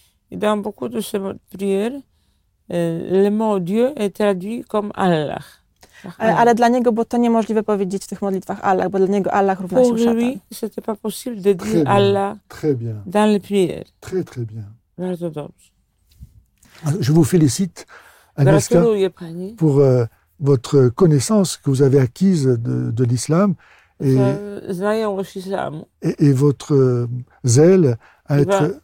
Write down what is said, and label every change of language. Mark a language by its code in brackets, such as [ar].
[fr] I dans beaucoup de ces prières, le mot Dieu est traduit comme Allah. [pl] Ale dla niego było to niemożliwe powiedzieć w tych modlitwach Allah, bo dla niego Allah równa się szatan. [fr] C'était pas possible de dire Allah très bien. Dans les prières. Très, très bien. [pl] Bardzo dobrze. [fr] Je vous félicite, Agnieszka, pour votre connaissance que vous avez acquise de l'islam et votre zèle à être,